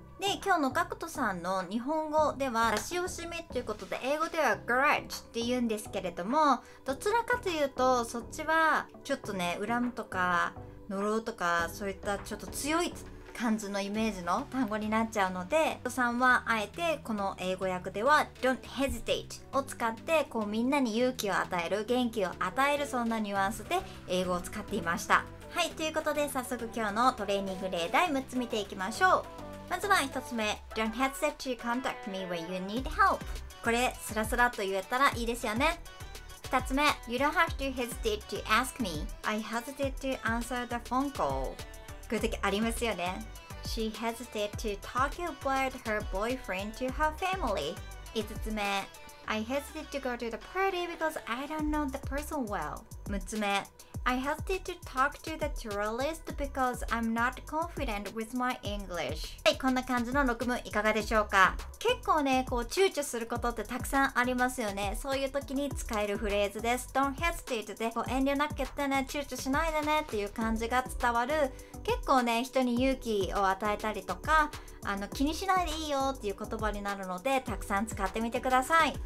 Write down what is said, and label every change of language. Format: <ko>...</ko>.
<ja>で、今日のGACKTさんの日本語では出し惜しみということで、英語では grudge って言うんですけれども、どちらかというとそっちはちょっとね、恨むとか呪うとか、そういったちょっと強い感じのイメージの単語になっちゃうので、GACKTさんはあえてこの英語訳では</ja> <en>don't hesitate</en> <ja>を使って、こうみんなに勇気を与える、元気を与える、そんなニュアンスで英語を使っていました。はい、ということで早速今日のトレーニング例題6つ見ていきましょう。まずは一つ目、</ja> <en>Don't hesitate to contact me when you need help.</en> <ja>これスラスラと言えたらいいですよね。二つ目、</ja> <en>You don't have to hesitate to ask me. I hesitate to answer the phone call.</en> <ja>こういう時ありますよね。</ja> <en>She hesitated to talk about her boyfriend to her family.</en> <ja>五つ目、</ja> <en>I hesitate to go to the party because I don't know the person well.</en> <ja>六つ目、</ja> <en>I hesitate to talk to the tourist because I'm not confident with my English.</en> <ja>はい、こんな感じの6文いかがでしょうか。結構ね、こう躊躇することってたくさんありますよね。そういう時に使えるフレーズです。</ja> <en>Don't hesitate</en> <ja>で、こう遠慮なく言ってね、躊躇しないでねっていう感じが伝わる。結構ね、人に勇気を与えたりとか、あの気にしないでいいよっていう言葉になるので、たくさん使ってみてください。</ja>